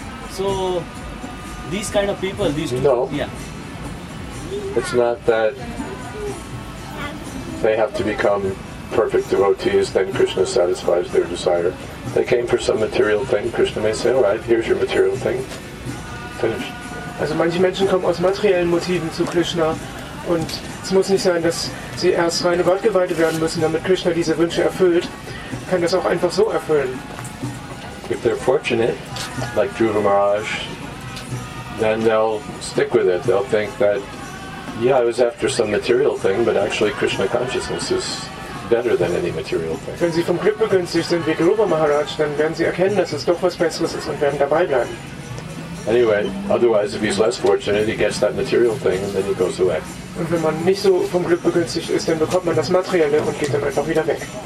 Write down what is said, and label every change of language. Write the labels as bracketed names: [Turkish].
[English] So, these kind of people, these two... No. Yeah. It's not that they have to become perfect devotees, then Krishna satisfies their desire. They came for some material thing, Krishna may say, alright, here's your material thing. Finish. [German] Also manche Menschen kommen aus materiellen Motiven zu Krishna, und es muss nicht sein, dass sie erst reine Gottgeweihte werden müssen, damit Krishna diese Wünsche erfüllt. Kann das auch einfach so erfüllen. [English] If they're fortunate, like Dhruva Maharaj, then they'll stick with it. They'll think that, yeah, I was after some material thing, but actually Krishna consciousness is better than any material thing. [German] Wenn Sie vom Glück begünstigt sind wie Guru Maharaj, dann werden Sie erkennen, dass es doch was Besseres ist und werden dabei bleiben. [English] Anyway, otherwise, if he's less fortunate, he gets that material thing and then he goes away. [German] Und wenn man nicht so vom Glück begünstigt ist, dann bekommt man das Materielle und geht dann einfach wieder weg.